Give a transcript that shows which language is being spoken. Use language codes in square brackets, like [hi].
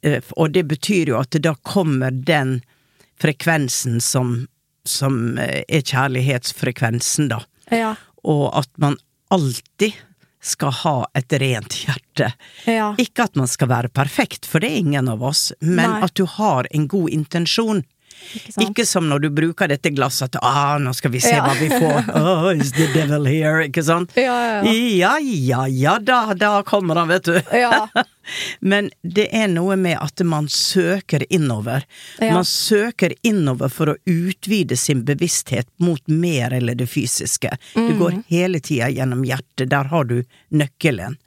[no] Og det betyr jo at da kommer den frekvensen som er kjærlighetsfrekvensen da. Ja. Og at man alltid skal ha et rent hjerte. Ja. Ikke at man skal være perfekt, for det er ingen av oss, men Nei. At du har en god intensjon. Ikke som når du bruker dette glasset at, nå skal vi se ja. Hva vi får. [en] Oh, is the devil here, [no] ikke sant? Ja, ja, ja. Ja, ja, ja, da kommer han, vet du. Ja. Men det er noe med at man søker innover. Ja. Man søker innover for å utvide sin bevissthet mot mer eller det fysiske. Mm. Du går hele tiden gjennom hjertet, der har du nøkkelen.